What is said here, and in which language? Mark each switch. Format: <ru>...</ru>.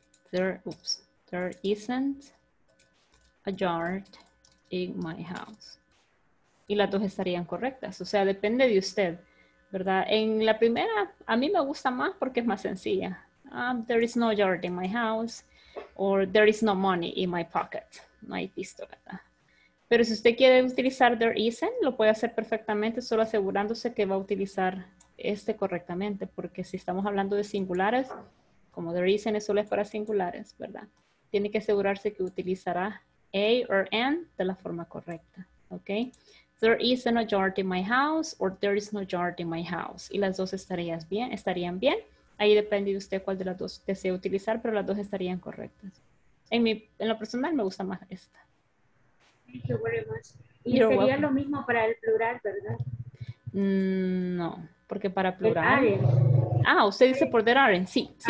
<en>There isn't a yard in my house.</en> <es>Y las dos estarían correctas. O sea, depende de usted, ¿verdad? En la primera, a mí me gusta más porque es más sencilla.</es> <en>There is no yard in my house. Or there is no money in my pocket.</en> <es>No hay pisto, ¿verdad? Pero si usted quiere utilizar there isn't, lo puede hacer perfectamente, solo asegurándose que va a utilizar este correctamente. Porque si estamos hablando de singulares, como there isn't es solo es para singulares, ¿verdad? Tiene que asegurarse que utilizará a or an de la forma correcta, ¿ok?</es> <en>There is no yard in my house or there is no yard in my house.</en> <es>Y las dos estarían bien. Ahí depende de usted cuál de las dos desea utilizar, pero las dos estarían correctas. En lo personal me gusta más esta.</es> <en>Thank you very much.</en> <es>Y you're sería welcome. Lo mismo para el plural, ¿verdad? No, porque para plural... Ah, usted dice por there aren't. Sí, sí,</es>